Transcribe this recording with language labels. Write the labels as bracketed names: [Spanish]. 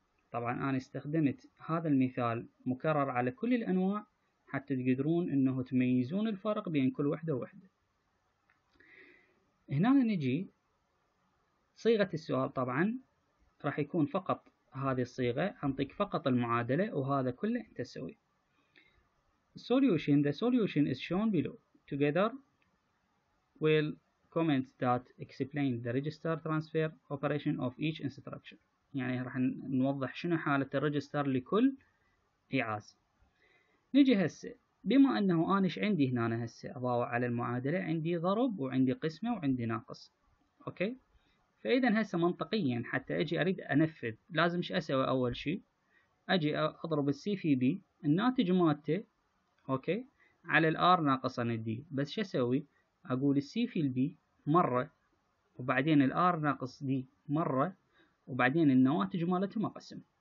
[Arabic] طبعا انا استخدمت هذا المثال مكرر على كل الانواع حتى تقدرون انه تميزون الفرق بين كل وحدة ووحدة. هنا نجي صيغة السؤال، طبعا راح يكون فقط هذه الصيغة، انطيك فقط المعادلة وهذا كله انت تسوي. [English] Solution: the solution is shown below. Together, we'll comment that explain the register transfer operation of each instruction. [Arabic] يعني راح نوضح شنو حالة الريجستر لكل إعاز. نجي هسه بما أنه أنا إيش عندي هنا هسه أضاوع على المعادلة، عندي ضرب وعندي قسمة وعندي ناقص. أوكي؟ فإذا هسه منطقياً حتى أجي أريد أنفذ لازم إيش أسوي أول شيء؟ أجي أضرب السي في بي، الناتج مالته اوكي على الار ناقصا الدي، بس شو اسوي؟ اقول السي في البي مره وبعدين الار ناقص دي مره وبعدين النواتج مالتهم اقسم.